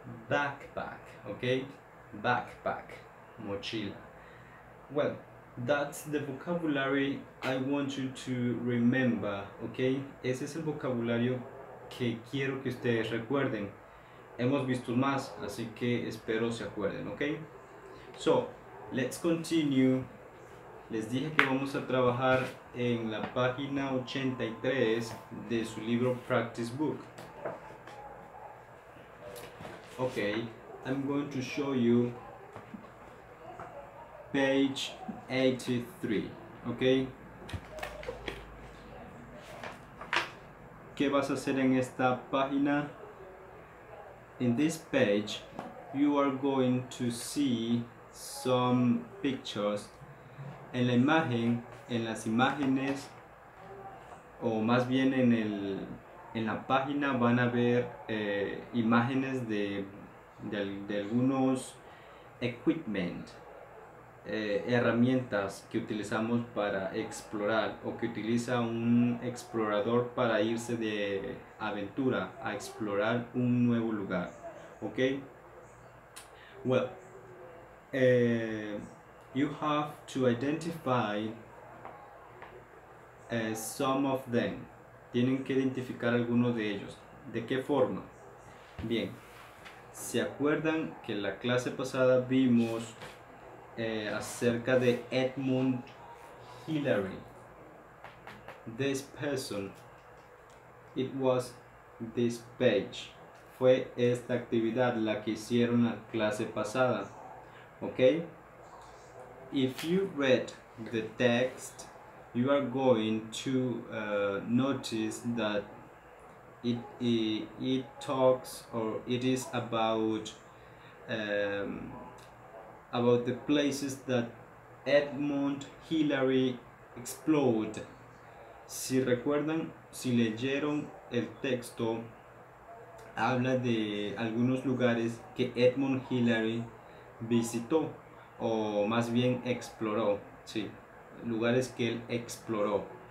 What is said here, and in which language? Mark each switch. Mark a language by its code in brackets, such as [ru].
[en] Backpack, okay? Backpack, mochila. Well, that's the vocabulary I want you to remember, okay? [es] Ese es el vocabulario que quiero que ustedes recuerden. Hemos visto más, así que espero se acuerden, ¿ok? [en] So, let's continue. [es] Les dije que vamos a trabajar en la página 83 de su libro Practice Book. [en] Ok, I'm going to show you page 83, ¿ok? [es] ¿Qué vas a hacer en esta página? [en] In this page, you are going to see some pictures. [es] En la imagen, en las imágenes, o más bien en la página, van a ver imágenes de algunos equipment. herramientas que utilizamos para explorar o que utiliza un explorador para irse de aventura a explorar un nuevo lugar. Ok. [en] Well, you have to identify some of them. [es] Tienen que identificar algunos de ellos. ¿De qué forma? Bien, ¿se acuerdan que en la clase pasada vimos acerca de Edmund Hillary? [en] This person, it was this page. [es] Fue esta actividad la que hicieron la clase pasada. ¿Ok? [en] If you read the text, you are going to notice that it talks or it is about the places that Edmund Hillary explored. [es] Si recuerdan, si leyeron el texto, habla de algunos lugares que Edmund Hillary visitó o más bien exploró, sí, lugares que él exploró.